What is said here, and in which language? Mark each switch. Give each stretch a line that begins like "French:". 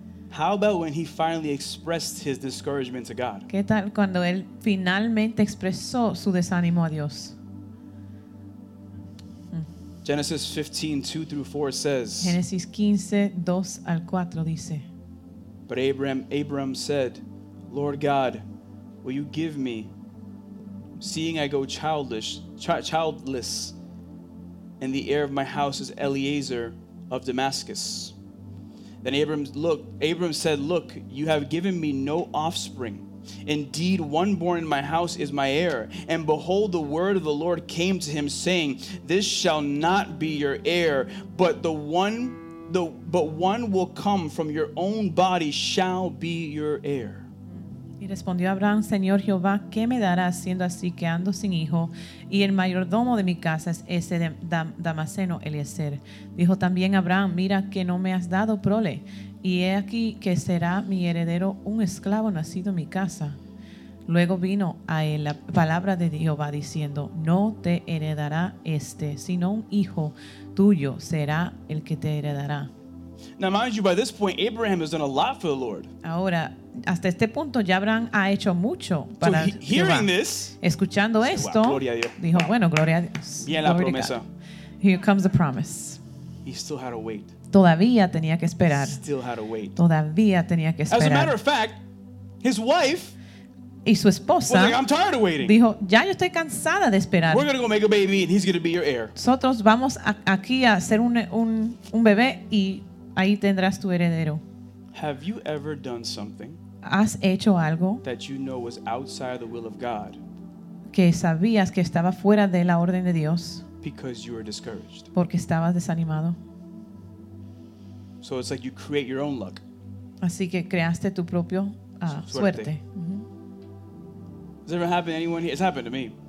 English: How about when he finally expressed his discouragement to God?
Spanish: ¿Qué tal cuando él finalmente expresó su desánimo a Dios?
English: Genesis 15, 2 through 4 says.
Spanish: Génesis 15, 2 al 4 dice.
English: But Abram said, Lord God, will you give me, seeing I go childless, and the heir of my house is Eliezer of Damascus. Then Abram said, look, you have given me no offspring. Indeed, one born in my house is my heir. And behold, the word of the Lord came to him, saying, this shall not be your heir, but one will come from your own body shall be your heir.
Spanish: Y respondió Abraham, Señor Jehová, ¿qué me darás siendo así que ando sin hijo? Y el mayordomo de mi casa es ese damaseno Eliezer. Dijo también Abraham, mira que no me has dado prole, y he aquí que será mi heredero un esclavo nacido en mi casa. Luego vino a él la palabra de Jehová diciendo, no te heredará este, sino un hijo tuyo será el que te heredará.
English: Now mind you, by this point, Abraham has done a lot for the Lord.
Spanish: Ahora, hasta este punto ya Abraham ha hecho mucho para
English: so hearing this,
Spanish: escuchando esto, dijo, bueno, gloria a Dios. Bien la promesa.
English: Here comes the promise. He still had to wait.
Spanish: Todavía tenía que esperar.
English: Still had to wait.
Spanish: Todavía tenía que esperar.
English: As a matter of fact, his wife
Spanish: y su esposa
English: was like, I'm tired of waiting.
Spanish: Dijo, ya yo estoy cansada de esperar.
English: We're going to go make a baby and he's going to be your heir.
Spanish: Nosotros vamos aquí a hacer un bebé y ahí tendrás tu heredero.
English: Have you ever done something
Spanish: has hecho algo
English: that you know was outside the will of God,
Spanish: que sabías que estaba fuera de la orden de Dios,
English: because you were discouraged.
Spanish: Porque estabas desanimado.
English: So it's like you create your own luck.
Spanish: Así que creaste tu propio suerte.
English: Has ever happened to anyone here? It's happened to me.